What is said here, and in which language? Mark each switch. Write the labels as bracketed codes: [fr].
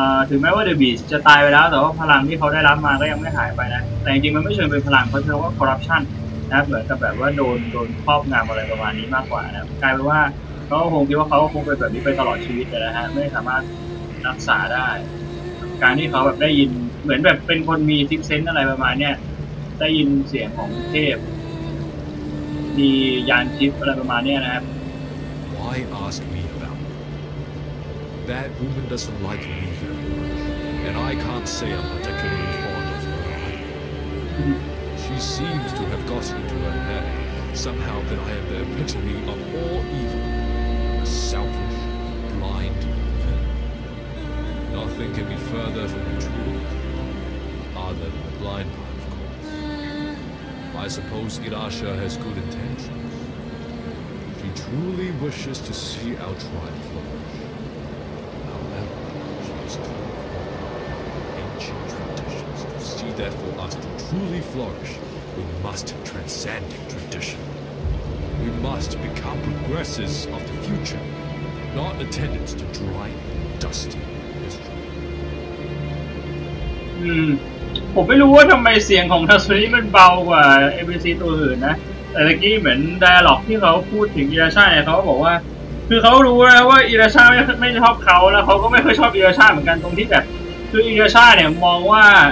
[th] ถึงแม้ว่าเดอะบีสต์จะตายไปแล้วแต่ว่าพลังที่เขาได้รับมาก็ยังไม่หายไปนะแต่จริงๆมันไม่เชิงเป็นพลังเพราะเรียกว่าคอร์รัปชันนะเหมือนกับแบบว่าโดนครอบงำอะไรประมาณนี้มากกว่านะกลายเป็นว่าเขาคงคิดว่าเขาคงเป็นแบบนี้ไปตลอดชีวิตนะฮะไม่สามารถรักษาได้การที่เขาแบบได้ยินเหมือนแบบเป็นคนมีซิกเซนต์อะไรประมาณเนี้ยได้ยินเสียงของเทพมียานชิปอะไรประมาณเนี้ยนะครับ [en] Why ask me about it? That woman doesn't like me very much and I can't say I'm particularly fond of her either. She seems to have got into her head somehow that I am the epitome of all evil, a selfish, blind. Nothing can be further from the truth, other than the blind part, of course. I suppose Irasha has good intentions. She truly wishes to see our tribe flourish. However, she is too caught up in ancient traditions to see that for us to truly flourish, we must transcend tradition. We must become progressors of the future, not attendants to dry, dusty history. [th] ผมไม่รู้ว่าทำไมเสียงของทัศนีมันเบากว่า NPC ตัวอื่นนะแต่ตะกี้เหมือนดาร์ล็อกที่เขาพูดถึงอิราช่าเนี่ยเขาบอกว่าคือเขารู้แล้วว่าอิราช่าไม่ชอบเขาแล้วเขาก็ไม่เคยชอบอิราช่าเหมือนกันตรงที่แบบคืออิราช่าเนี่ยมองว่า